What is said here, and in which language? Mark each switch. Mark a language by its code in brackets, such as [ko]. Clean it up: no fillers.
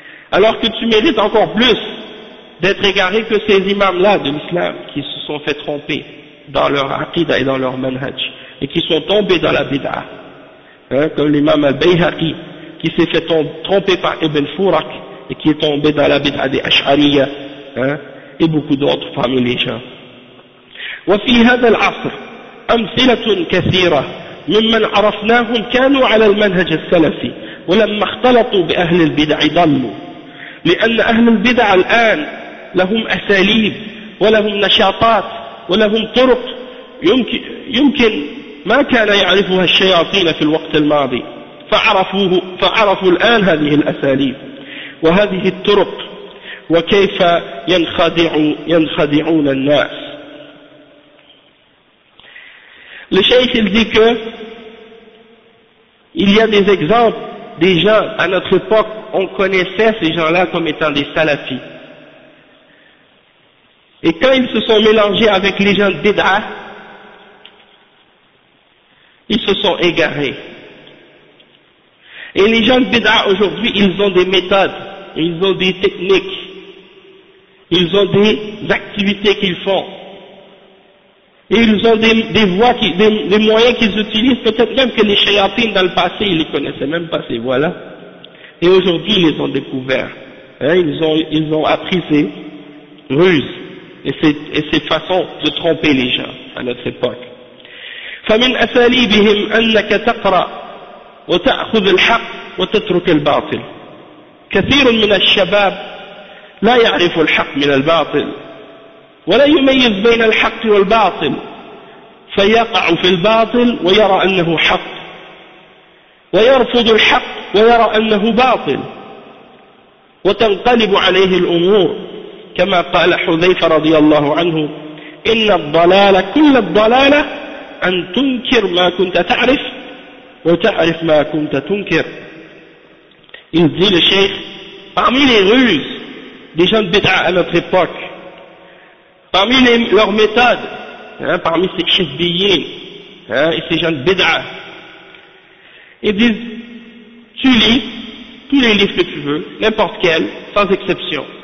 [fr] Alors que tu mérites encore plus d'être égaré que ces imams-là de l'islam qui se sont fait tromper dans leur aqidah et dans leur manhaj et qui sont tombés dans la bid'ah. Hein, comme l'imam al-Bayhaqi qui s'est fait tromper par Ibn Furaq et qui est tombé dans la bid'ah des Ash'ariyah, hein, et beaucoup d'autres parmi les gens. [ar] وفي هذا العصر أمثلة كثيرة ممن عرفناهم كانوا على المنهج السلفي ولما اختلطوا بأهل البدع ضلوا لأن أهل البدع الآن لهم أساليب ولهم نشاطات ولهم طرق يمكن ما كان يعرفها الشياطين في الوقت الماضي فعرفوا الآن هذه الأساليب وهذه الطرق وكيف ينخدعون الناس. [fr] Le cheikh il dit que il y a des exemples, des gens à notre époque, on connaissait ces gens-là comme étant des salafis. Et quand ils se sont mélangés avec les gens de Bid'a, ils se sont égarés. Et les gens de Bid'a aujourd'hui, ils ont des méthodes, ils ont des techniques, ils ont des activités qu'ils font. Et ils ont des moyens qu'ils utilisent, peut-être même que les shayatines dans le passé, ils ne les connaissaient même pas ces voies-là. Et aujourd'hui, ils les ont découverts. Hein, ils ont appris ces ruses et ces façons de tromper les gens à notre époque. [ar] فَمِنْ أَسَالِيبِهِمْ أَنَّكَ تَقْرَأْ وَتَأْخُذِ الْحَقْ وَتَتْرُكِ الْبَاطِلِ كَثِيرٌ مِنَ الشَّبَابِ لَا يَعْرِفُ الْحَقْ مِنَ الْبَاطِلِ ولا يميز بين الحق والباطل فيقع في الباطل ويرى أنه حق ويرفض الحق ويرى أنه باطل وتنقلب عليه الأمور كما قال حذيفة رضي الله عنه إن الضلال كل الضلالة أن تنكر ما كنت تعرف وتعرف ما كنت تنكر. يقول الشيخ [fr] parmi les ruses des gens de bid'a à notre époque, parmi leurs méthodes, hein, parmi ces chisbillés, hein, et ces gens de bid'a, ils disent, tu lis tous les livres que tu veux, n'importe quel, sans exception.